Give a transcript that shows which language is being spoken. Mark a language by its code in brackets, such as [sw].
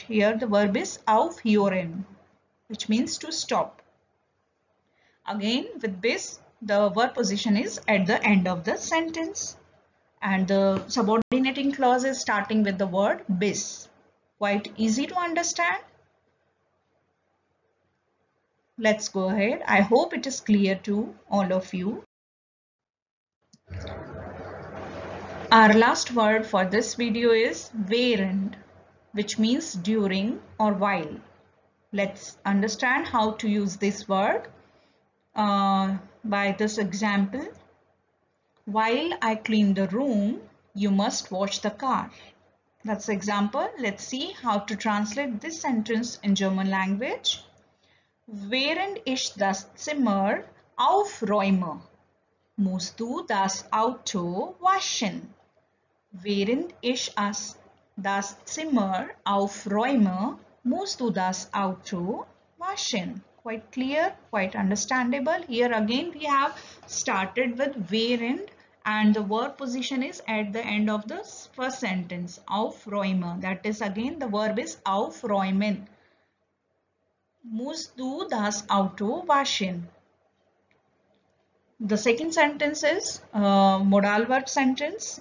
[en] Here the verb is aufhören, which means to stop. Again, with bis, the verb position is at the end of the sentence. And the subordinating clause is starting with the word bis. Quite easy to understand. Let's go ahead. I hope it is clear to all of you. Our last word for this video is während, which means during or while. Let's understand how to use this word by this example. While I clean the room, you must wash the car. That's the example. Let's see how to translate this sentence in German language. [de] Während ich das Zimmer aufräume, musst du das Auto waschen. Während ich das Zimmer aufräume, musst du das Auto waschen. [en] Quite clear, quite understandable. Here again we have started with während and the verb position is at the end of the first sentence. Aufräume. That is again the verb is aufräumen. [de] Moose du das Auto waschen. [en] The second sentence is a modal verb sentence.